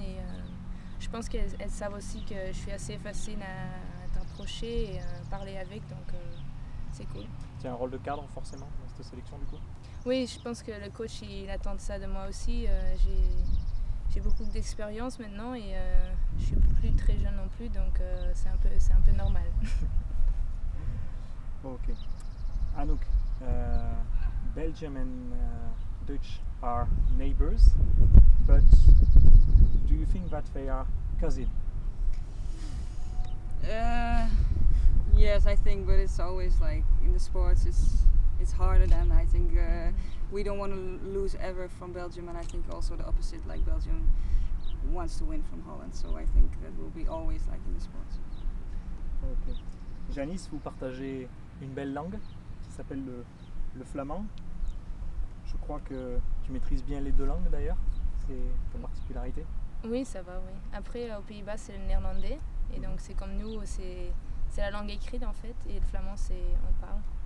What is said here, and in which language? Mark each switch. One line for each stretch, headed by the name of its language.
French: Et je pense qu'elles savent aussi que je suis assez facile à t'approcher et à parler avec, donc c'est cool. Tu as un rôle de cadre, forcément, dans cette sélection, du coup? Oui, je pense que le coach, il attend ça de moi aussi. J'ai beaucoup d'expérience maintenant et je suis plus très jeune non plus, donc c'est un peu normal. Ok.
English: Anouk, Belgium and Dutch are neighbors, but do you think that they are cousins? Yes, I think, but it's always like in the sports, it's harder than I think. We don't want to lose ever from Belgium, and I think also the opposite, like Belgium wants to win from Holland. So I think that will be always like in the sports. Okay.
French: Janis, vous partagez une belle langue qui s'appelle le flamand. Je crois que tu maîtrises bien les deux langues d'ailleurs, c'est ta particularité. Oui, ça va, oui. Après, aux Pays-Bas, c'est le néerlandais, et donc c'est comme nous, c'est la langue écrite en fait, et le flamand, c'est on parle.